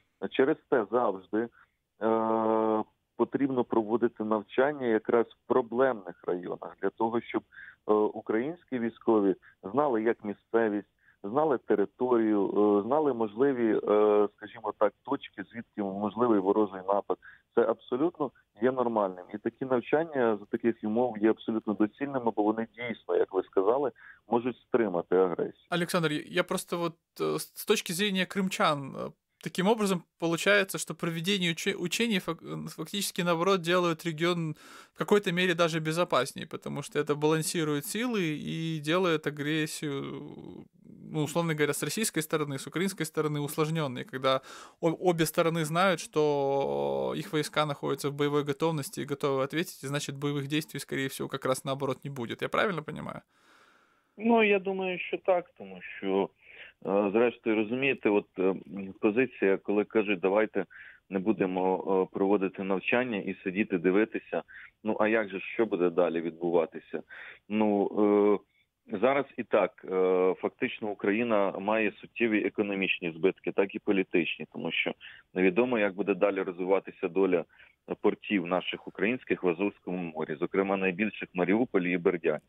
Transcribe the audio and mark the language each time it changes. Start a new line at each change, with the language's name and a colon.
Ukrainian: Через те завжди потрібно проводити навчання якраз в проблемних районах, для того, щоб українські військові знали, як місцевість, знали територію, знали можливі, скажімо так, точки, звідки можливий ворожий напад. Це абсолютно є нормальним. І такі навчання за таких умов є абсолютно доцільними, бо вони дійсно, як ви сказали, можуть стримати агресію.
Russian: Олександр,
Ukrainian: я просто от з точки зрення кримчан,
Russian: таким образом получается, что проведение учений фактически наоборот делают регион в какой-то мере даже безопаснее, потому что это балансирует силы и делает агрессию, ну, условно говоря, с российской стороны, с украинской стороны усложненной, когда обе стороны знают, что их войска находятся в боевой готовности и готовы ответить, и значит боевых действий, скорее всего, как раз наоборот не будет. Я правильно понимаю?
Ukrainian: Ну, я думаю, що так, тому що, зрештою, розумієте, от позиція, коли кажуть, давайте не будемо проводити навчання і сидіти, дивитися, ну, а як же, що буде далі відбуватися? Ну, зараз і так, фактично, Україна має суттєві економічні збитки, так і політичні, тому що невідомо, як буде далі розвиватися доля портів наших українських в Азовському морі, зокрема найбільших Маріуполі і Бердянськ.